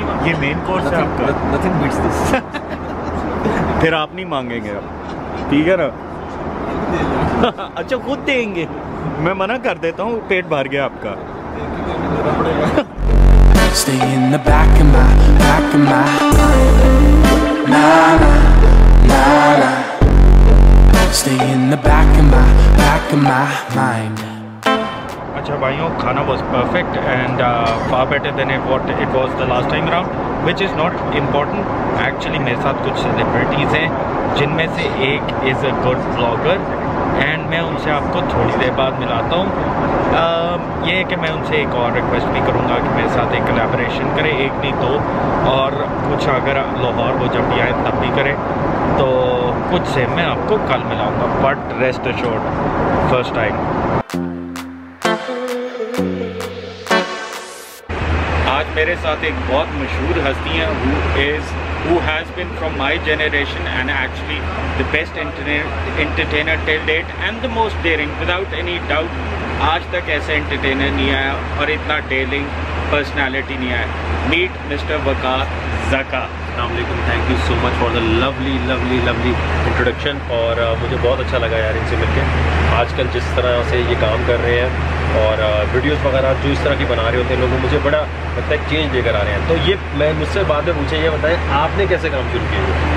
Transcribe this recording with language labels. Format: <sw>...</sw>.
<hi>ये main course है आपका.</hi> <en>Nothing beats this.</en> <hi>फिर आप नहीं मांगेंगे अब, ठीक है ना? अच्छा खुद देंगे, मैं मना कर देता हूँ, पेट भर गया आपका.</hi> <en>Stay in the back of my mind. Na na na. Stay in the back of my mind.</en> <hi>अच्छा भाइयों, खाना</hi> <en>was perfect and far better than it was the last time round, which is not important.</en> <hi>Actually मेरे साथ कुछ celebrities हैं जिनमें से एक</hi> <en>is a good vlogger.</en> <hi>And मैं उनसे आपको थोड़ी देर बाद मिलाता हूँ. ये है कि मैं उनसे एक और रिक्वेस्ट भी करूँगा कि मेरे साथ एक कलेबरेशन करें, एक नहीं दो, और कुछ अगर लाहौर वो जब भी आए तब भी करें. तो कुछ से मैं आपको कल मिलाऊँगा,</hi> <en>But rest assured first time.</en> <hi>आज मेरे साथ एक बहुत मशहूर हस्ती हैं,</hi> <en>Who is who has been from my generation and actually the best entertainer till date and the most daring without any doubt.</en> <hi>Aaj tak aisa entertainer nahi aaya aur itna daring personality नहीं आए. Meet mister वकार जका. अस्सलाम वालेकुम.</hi> <en>Thank you so much for the lovely lovely lovely introduction.</en> <hi>और मुझे बहुत अच्छा लगा यार इनसे मिलकर. आजकल जिस तरह से ये काम कर रहे हैं और वीडियोस वगैरह जो इस तरह की बना रहे होते हैं लोग, मुझे बड़ा लगता है चेंज लेकर आ रहे हैं. तो ये मैं मुझसे बाद में पूछा, ये बताएं आपने कैसे काम शुरू किया?</hi>